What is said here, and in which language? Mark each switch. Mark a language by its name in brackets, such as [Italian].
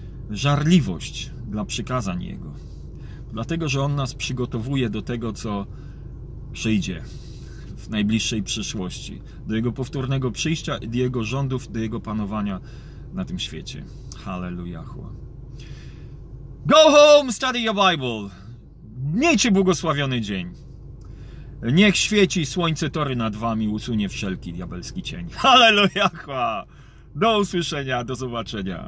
[Polish] Żarliwość dla przykazań Jego. Dlatego, że On nas przygotowuje do tego, co przyjdzie w najbliższej przyszłości. Do Jego powtórnego przyjścia, do Jego rządów, do Jego panowania na tym świecie. Hallelujah. [English] Go home, study your Bible. [Polish] Miejcie błogosławiony dzień. Niech świeci słońce Tory nad wami, usunie wszelki diabelski cień. Hallelujah. Do usłyszenia, do zobaczenia.